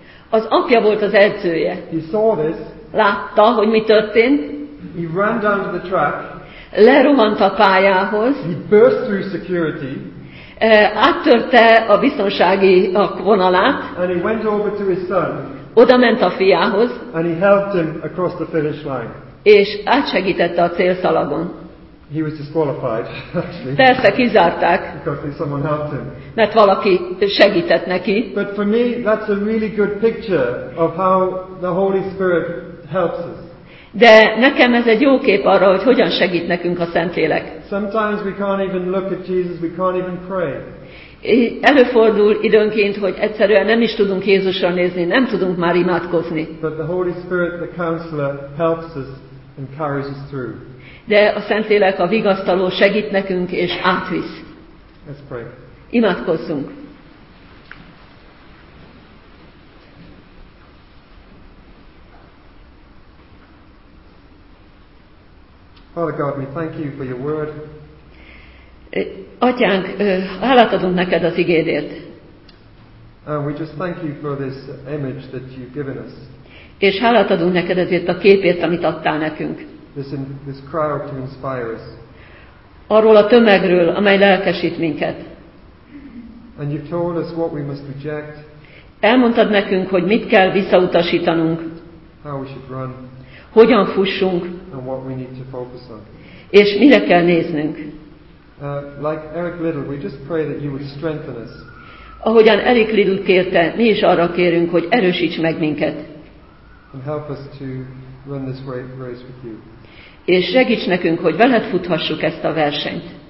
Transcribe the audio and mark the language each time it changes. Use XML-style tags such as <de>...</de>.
<hu>Az apja volt az edzője.</hu> <en>He saw this.</en> <hu>Látta, hogy mi történt.</hu> <en>He ran down to the track.</en> <hu>Lerohant a pályához.</hu> <en>He burst through security.</en> <hu>Áttörte a biztonsági vonalát.</hu> <en>And he went over to his son.</en> <hu>Oda ment a fiához.</hu> <en>And he helped him across the finish line.</en> <hu>És átsegítette a célszalagon.</hu> <en>He was disqualified, actually.</en> <hu>Persze, kizárták.</hu> <en>Because someone helped him.</en> <hu>Mert valaki segített neki.</hu> <en>But for me, that's a really good picture of how the Holy Spirit helps us.</en> <hu>De nekem ez egy jó kép arra, hogy hogyan segít nekünk a Szentlélek.</hu> <en>Sometimes we can't even look at Jesus, we can't even pray.</en> <hu>Előfordul időnként, hogy egyszerűen nem is tudunk Jézusra nézni, nem tudunk már imádkozni.</hu> <en>But the Holy Spirit, the counselor, helps us and carries us through.</en> <hu>De a Szentlélek, a vigasztaló segít nekünk és átvisz.</hu> <en>Let's pray.</en> <hu>Imádkozzunk.</hu> <en>Father God, we thank you for your word.</en> <hu>Atyánk, hálát adunk neked az igédért.</hu> <en>And we just thank you for this image that you've given us.</en> <hu>És hálát adunk neked ezért a képért, amit adtál nekünk.</hu> <en>This crowd to inspire us.</en> <hu>Arról a tömegről, amely lelkesít minket.</hu> <en>And you've told us what we must reject.</en> <hu>Elmondtad nekünk, hogy mit kell visszautasítanunk.</hu> <en>How we should run.</en> <hu>Hogyan fussunk.</hu> <en>And what we need to focus on.</en> <hu>És mire kell néznünk.</hu> <en>Like Eric Little, we just pray that you would strengthen us.</en> <hu>Ahogyan Eric Little kérte, mi is arra kérünk, hogy erősíts meg minket.</hu> <en>And help us to run this race with you.</en> <hu>És segíts nekünk, hogy veled futhassuk ezt a versenyt.</hu>